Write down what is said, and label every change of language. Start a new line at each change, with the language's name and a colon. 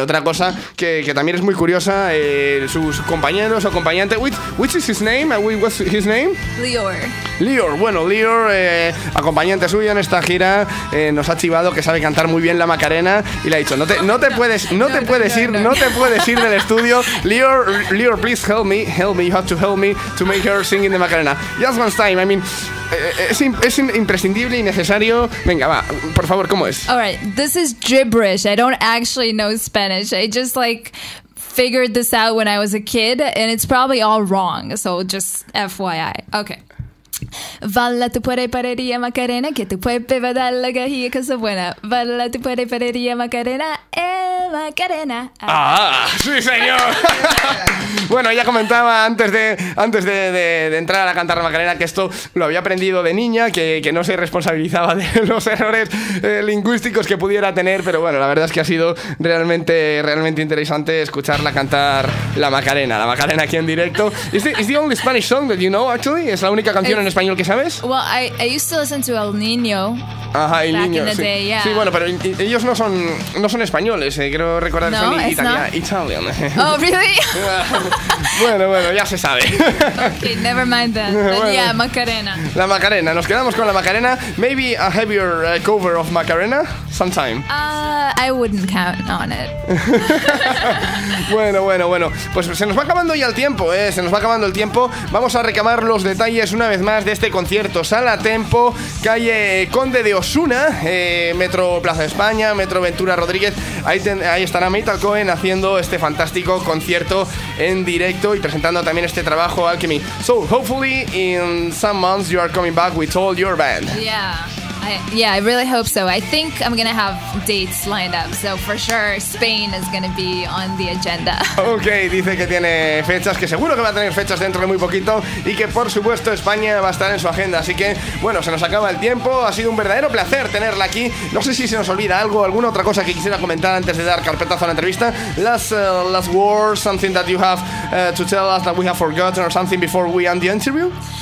Spanish: Otra cosa que también es muy curiosa. Sus compañeros o acompañantes.
English: Which is his name?
Spanish: What's his name? Lior. Bueno, Lior, acompañante suyo en esta gira, nos ha chivado que sabe cantar muy bien la Macarena y le ha dicho: No te puedes ir del estudio.
English: Lior, please help me. You have to help me to make her singing the Macarena. Just one time, I mean.
Spanish: Es imprescindible y necesario. Venga, va, por favor, ¿cómo es?
English: All right, this is gibberish. I don't actually know Spanish. I just like figured this out when I was a kid, and it's probably all wrong. So just FYI. Okay.
Spanish: Valla tu puede parería Macarena, que tu puede dar la gajilla cosa buena. Valla tu puede parería Macarena, Macarena. ¡Ah! ¡Sí, señor! Bueno, ella comentaba antes de entrar a cantar Macarena que esto lo había aprendido de niña, que no se responsabilizaba de los errores lingüísticos que pudiera tener, pero bueno, la verdad es que ha sido realmente, realmente interesante escucharla cantar la Macarena aquí en directo.
English: Is the only Spanish song that you know, actually?
Spanish: ¿Es la única canción en español que sabes?
English: Well, I used to listen to El Niño.
Spanish: Ajá, El Niño, sí.
English: Yeah.
Spanish: Sí, bueno, pero ellos no son españoles, ¿eh? Quiero recordar no, son
English: it's
Spanish: Italia,
English: not. Italian. Oh, really?
Spanish: bueno, ya se sabe.
English: Okay, never mind that. Bueno, yeah, Macarena.
Spanish: La Macarena, nos quedamos con la Macarena.
English: Maybe a heavier cover of Macarena sometime. I wouldn't count on it.
Spanish: bueno, pues se nos va acabando ya el tiempo, ¿eh? Se nos va acabando el tiempo. Vamos a reclamar los detalles una vez más de este concierto Sala Tempo, calle Conde de Osuna, Metro Plaza de España, Metro Ventura Rodríguez. Ahí estará Metal Cohen haciendo este fantástico concierto en directo y presentando también este trabajo Alchemy.
English: So hopefully in some months you are coming back with all your band. Yeah, I really hope so. I think I'm gonna have dates lined up, so for sure Spain is gonna be on the agenda.
Spanish: Okay, dice que tiene fechas, que seguro que va a tener fechas dentro de muy poquito y que por supuesto España va a estar en su agenda. Así que bueno, se nos acaba el tiempo. Ha sido un verdadero placer tenerla aquí. No sé si se nos olvida algo, alguna otra cosa que quisiera comentar antes de dar carpetazo a la entrevista.
English: Last words, something that you have to tell us that we have forgotten or something before we end the interview.